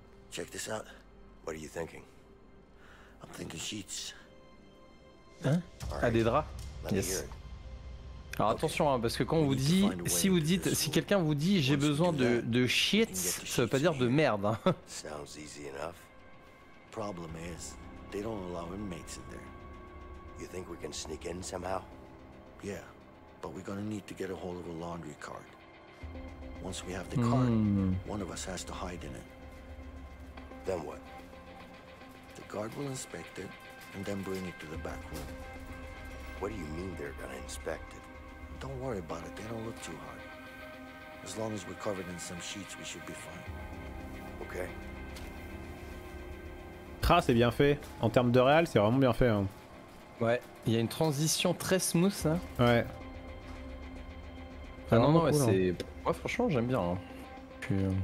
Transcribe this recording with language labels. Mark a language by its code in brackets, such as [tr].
[en] Check this out. What are you thinking? I'm thinking sheets. [fr] Hein? Right. Ah, des draps. Yes. Alors okay. Attention hein, parce que quand on vous dit, si vous dites, si quelqu'un vous dit j'ai besoin de sheets, ça veut pas dire de merde. [en] Sounds easy enough. Problem is, they don't allow inmates in there. You think we can sneak in somehow? Yeah, but we're gonna need to get a hold of a laundry cart. Once we have the cart, one of us has to hide in it. Then what? The guard will inspect it and then bring it to the back room. What do you mean they're gonna inspect it? Don't worry about it, they don't look too hard. As long as we're covered in some sheets, we should be fine. Okay. [fr] Ah, c'est bien fait. En termes de réal, c'est vraiment bien fait. Hein. Ouais, il y a une transition très smooth là. Ouais. Ah non, ouais, cool, c'est. Hein. Ouais, franchement, j'aime bien. Hein. Puis.